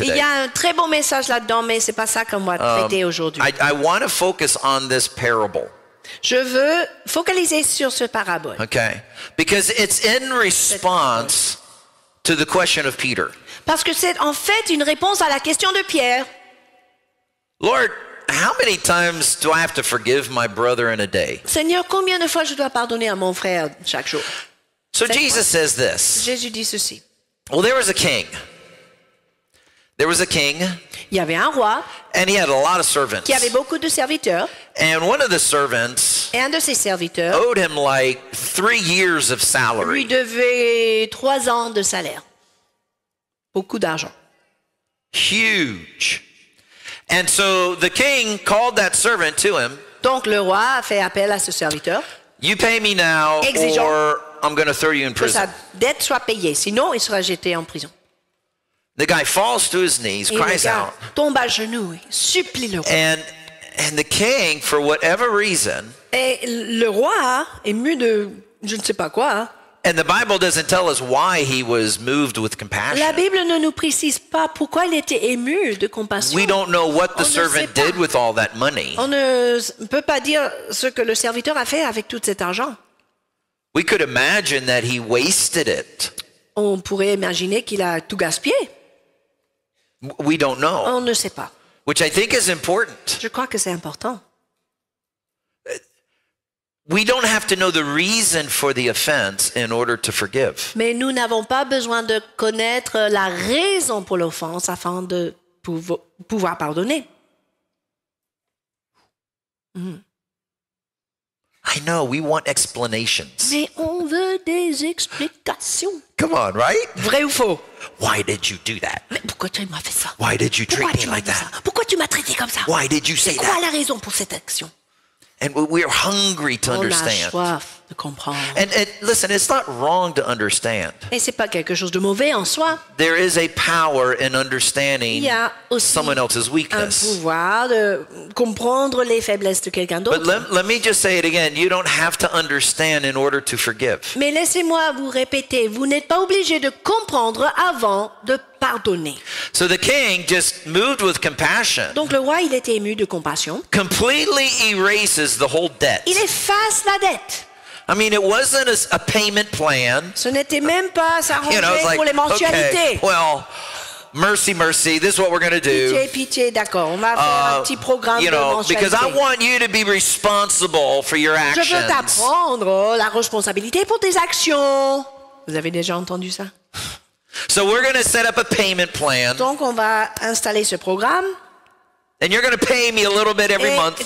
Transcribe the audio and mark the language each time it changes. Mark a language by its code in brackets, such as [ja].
[fr] Il y a un très beau message là-dedans, mais ce n'est pas ça qu'on va traiter aujourd'hui. [en] I want to focus on this parable. [fr] Je veux focaliser sur ce parabole. [en] Okay. Because it's in response to the question of Peter. [fr] Parce que c'est en fait une réponse à la question de Pierre. [en] Lord, how many times do I have to forgive my brother in a day? [fr] Seigneur, combien de fois je dois pardonner à mon frère chaque jour? [en] So Jesus says this. [fr] Jésus dit ceci. [en] Well, there was a king. There was a king. [fr] Il y avait un roi. [en] And he had a lot of servants. [fr] Qui avait beaucoup de serviteurs. [en] And one of the servants [fr] un de ses serviteurs [en] owed him like 3 years of salary. [fr] Lui devait 3 ans de salaire. Beaucoup d'argent. [en] Huge. And so the king called that servant to him. [fr] Donc le roi a fait appel à ce serviteur. [en] You pay me now [fr] exigeant [en] or I'm going to throw you in prison. [fr] Que sa dette soit payée, sinon il sera jeté en prison. [en] The guy falls to his knees, [fr] et [en] cries out. [fr] Tombe à genoux, supplie le roi. [en] And the king, for whatever reason, [fr] et le roi est mu de je ne sais pas quoi. [en] And the Bible doesn't tell us why he was moved with compassion. [fr] La Bible ne nous précise pas pourquoi il était ému de compassion. [en] We don't know what the servant did with all that money. [fr] On ne peut pas dire ce que le serviteur a fait avec tout cet argent. [en] We could imagine that he wasted it. [fr] On pourrait imaginer qu'il a tout gaspillé. [en] We don't know. [fr] On ne sait pas. [en] Which I think is important. [fr] Je crois que c'est important. [en] We don't have to know the reason for the offense in order to forgive. [fr] Mais nous n'avons pas besoin de connaître la raison pour l'offense afin de pouvoir pardonner. [en] I know, we want explanations. [fr] Mais on veut des explications. [en] Come on, right? [fr] Vrai ou faux? [en] Why did you do that? [fr] Mais pourquoi tu m'as fait ça? [en] Why did you treat me like that? [fr] Pourquoi tu m'as traité comme ça? [en] Why did you say that? [fr] C'est quoi la raison pour cette action? [en] And we're hungry to understand. [fr] On a soif de comprendre. [en] And listen, it's not wrong to understand. [fr] Et c'est pas quelque chose de mauvais en soi. [en] There is a power in understanding someone else's weakness. [fr] Un pouvoir de comprendre les faiblesses de quelqu'un d'autre. [en] But let me just say it again. You don't have to understand in order to forgive. [fr] Mais laissez-moi vous répéter. Vous n'êtes pas obligé de comprendre avant de pardonner. [en] So the king, just moved with compassion, [fr] donc le roi, il était ému de compassion. [en] Completely erases the whole debt. [fr] Il efface la dette. [en] I mean, it wasn't a payment plan. [fr] Ce n'était même pas sa rentrée pour les mensualités. [en] Okay, well, mercy, this is what we're going to do. [fr] Pitié, d'accord, on va faire un petit programme de mensualité. [en] Because I want you to be responsible for your actions. [fr] Je veux t'apprendre la responsabilité pour tes actions. Vous avez déjà entendu ça? [en] So we're going to set up a payment plan. [fr] Donc on va installer ce programme. [en] And you're going to pay me a little bit every month.